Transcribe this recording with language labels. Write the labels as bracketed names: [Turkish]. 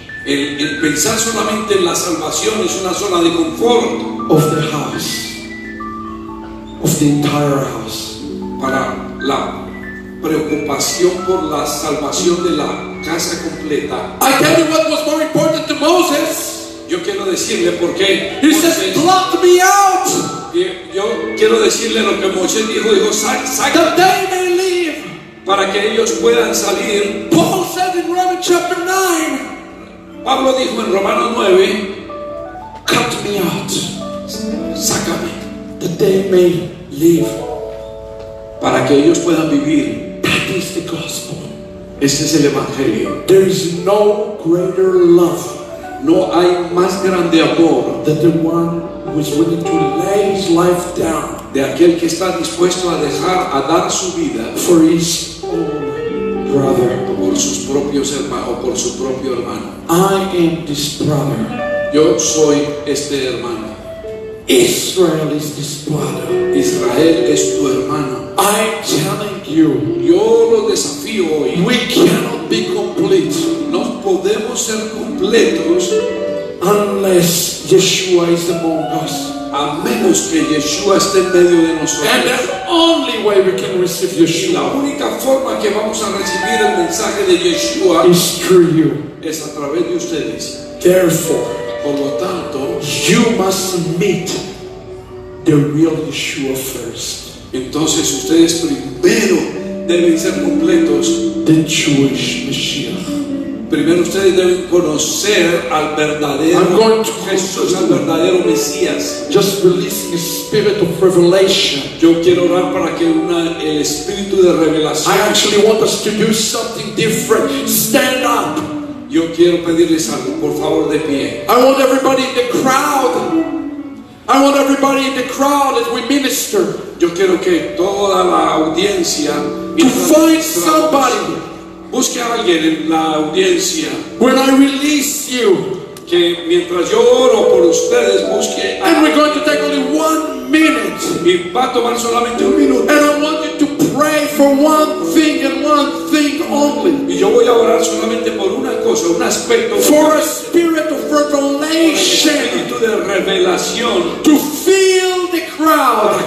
[Spanish] El pensar solamente en la salvación es una zona de confort. [English] Of the house. Of the entire house. [Spanish] Para la preocupación por la salvación de la casa completa. [English] I tell you what was more important to Moses. [Spanish] Yo quiero decirle por qué. [English] He says, "Blot me out." [Spanish] Yo quiero decirle lo que Moisés dijo. Dijo, saca. [English] That they may leave. [Spanish] Para que ellos puedan salir. [English] Paul said in Romans chapter 9. [Spanish] Pablo dijo en Romanos 9. [English] Cut me out. [Spanish] Sácame. [English] That they may leave. [Spanish] Para que ellos puedan vivir. [English] That is the gospel. [Spanish] Este es el evangelio. [English] There is no greater love. [Spanish] No hay más grande amor [English] than the one who is willing to lay his life down. [Spanish] De aquel que está dispuesto a dejar, a dar su vida. [English] For his own brother. [Spanish] Por sus propios hermanos, por su propio hermano. [English] I am this brother. [Spanish] Yo soy este hermano. [English] Israel is this brother. [Spanish] Israel es tu hermano. [English] I challenge you. [Spanish] Yo lo desafío hoy. [English] We cannot be complete. [Spanish] No podemos ser completos [English] unless Yeshua is among us. [Spanish] A menos que Yeshua esté en medio de nosotros. [English] And the only way we can receive Yeshua. [Spanish] La única forma que vamos a recibir el mensaje de Yeshua [English] is through you. [Spanish] Es a través de ustedes. [English] Therefore, [Spanish] por lo tanto, [English] you must meet the real Yeshua first. [Spanish] Entonces ustedes primero deben ser completos. [English] The Jewish Messiah. [Spanish] Primero ustedes deben conocer al verdadero Jesús, al verdadero Mesías. [English] Just releasing the spirit of revelation. [Spanish] Yo quiero orar para que el espíritu de revelación. [English] I actually want us to do something different. Stand up. [Spanish] Yo quiero pedirles algo, por favor, de pie. [English] I want everybody in the crowd. I want everybody in the crowd as we minister. [Spanish] Yo quiero que toda la audiencia [English] to find somebody. [Spanish] Busque a alguien en la audiencia. [English] When I release you, [Spanish] que mientras yo oro por ustedes, busque a alguien. [English] And we're going to take only 1 minute. [Spanish] Y va a tomar solamente 1 minuto. [English] And I want you to pray for one thing and one thing only. [Spanish] Y yo voy a orar solamente por una cosa, un aspecto. [English] For a spirit of revelation. [Spanish] Espíritu de revelación. [English] To fill the crowd.